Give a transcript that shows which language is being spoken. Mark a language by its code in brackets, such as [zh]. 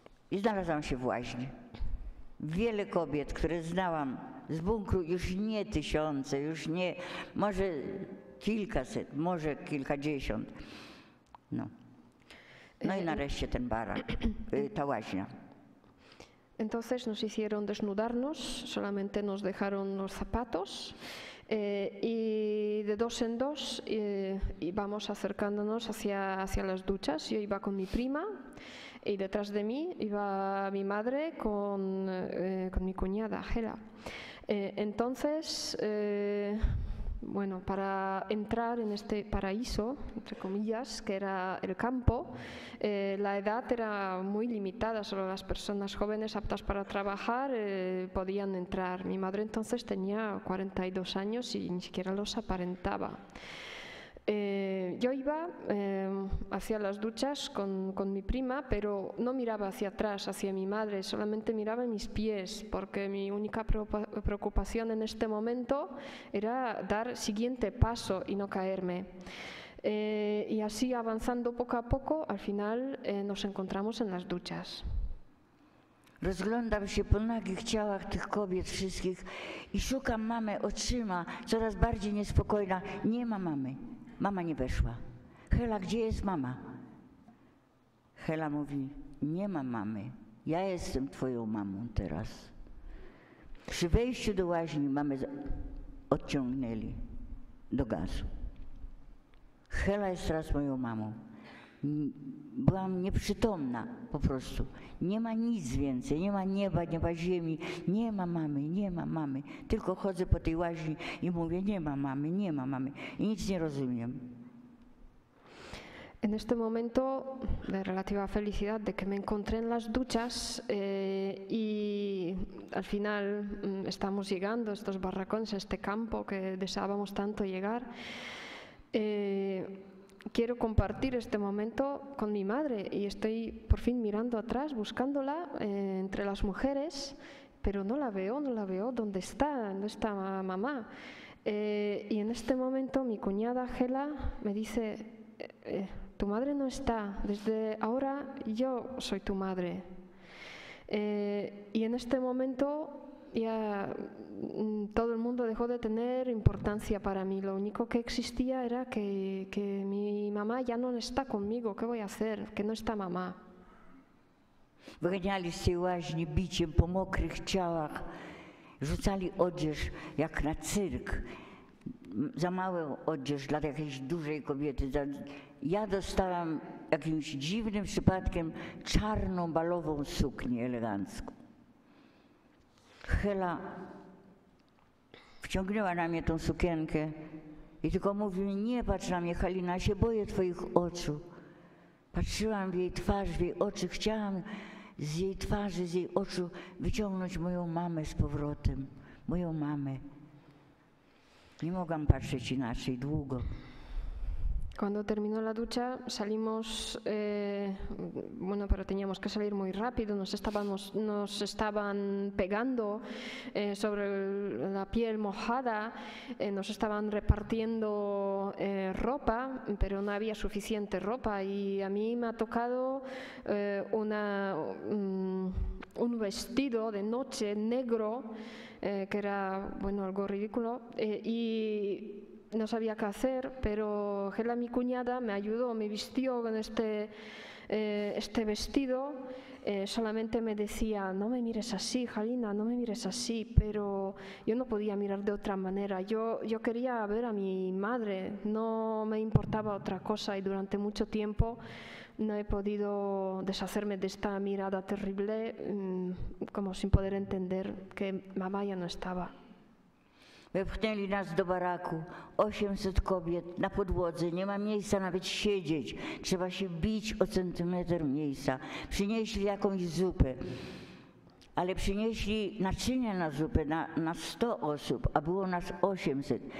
[pl] I znalazłam się w łaźni. Wiele kobiet, które znałam z bunkru, już nie tysiące, już nie, może kilkaset, może kilkadziesiąt. No y nareszcie ten barak, ta łaźnia. [es] Entonces nos hicieron desnudarnos, solamente nos dejaron los zapatos y de dos en dos íbamos acercándonos hacia las duchas. Yo iba con mi prima y detrás de mí iba mi madre con mi cuñada, Hela. Entonces Bueno, para entrar en este paraíso, entre comillas, que era el campo, la edad era muy limitada, solo las personas jóvenes aptas para trabajar podían entrar. Mi madre entonces tenía 42 años y ni siquiera los aparentaba. Yo iba hacia las duchas con mi prima, pero no miraba hacia atrás, hacia mi madre, solamente miraba mis pies, porque mi única preocupación en este momento era dar el siguiente paso y no caerme. Y así, avanzando poco a poco, al final nos encontramos en las duchas. [pl] Rozglądam się po nagich ciałach tych kobiet wszystkich i szukam mamy oczyma, coraz bardziej niespokojna. Nie ma mamy. Mama nie weszła. Hela, gdzie jest mama? Hela mówi, nie ma mamy. Ja jestem twoją mamą teraz. Przy wejściu do łaźni mamy odciągnęli do gazu. Hela jest teraz moją mamą. Byłam nieprzytomna po prostu. Nie ma nic więcej, nie ma nieba, nie ma ziemi. Nie ma mamy, nie ma mamy. Tylko chodzę po tej łaźni i mówię, nie ma mamy, nie ma mamy. I nic nie rozumiem. [es] En este momento de relativa felicidad de que me encontré en las duchas y al final estamos llegando a estos barracones, a este campo que deseábamos tanto llegar, quiero compartir este momento con mi madre y estoy por fin mirando atrás, buscándola entre las mujeres, pero no la veo, no la veo. ¿Dónde está? ¿Dónde está mamá? Y en este momento mi cuñada Gela me dice, tu madre no está, desde ahora yo soy tu madre. Y en este momento ya todo el mundo dejó de tener importancia para mí. Lo único que existía era que mi mamá ya no está conmigo. ¿Qué voy a hacer? Que no está mamá. [pl] Wyganiali z tej łaźni biciem po mokrych ciałach. Rzucali odzież jak na cyrk. Za małą odzież dla jakiejś dużej kobiety. Ja dostałam jakimś dziwnym przypadkiem czarną balową suknię elegancką. Hela wciągnęła na mnie tą sukienkę i tylko mówi mi, nie patrz na mnie, Halina, się boję twoich oczu. Patrzyłam w jej twarz, w jej oczy, chciałam z jej twarzy, z jej oczu wyciągnąć moją mamę z powrotem, moją mamę. Nie mogłam patrzeć inaczej długo. [es] Cuando terminó la ducha, salimos, bueno, pero teníamos que salir muy rápido, nos estaban pegando sobre la piel mojada, nos estaban repartiendo ropa, pero no había suficiente ropa y a mí me ha tocado un vestido de noche negro, que era, bueno, algo ridículo, y no sabía qué hacer, pero Gela, mi cuñada, me ayudó, me vistió con este vestido. Solamente me decía, no me mires así, Halina, no me mires así, pero yo no podía mirar de otra manera. Yo quería ver a mi madre, no me importaba otra cosa y durante mucho tiempo no he podido deshacerme de esta mirada terrible, como sin poder entender que mamá ya no estaba. [pl] Wepchnęli nas do baraku, 800 kobiet na podłodze, nie ma miejsca nawet siedzieć, trzeba się bić o centymetr miejsca. Przynieśli jakąś zupę, ale przynieśli naczynia na zupę na 100 osób, a było nas 800.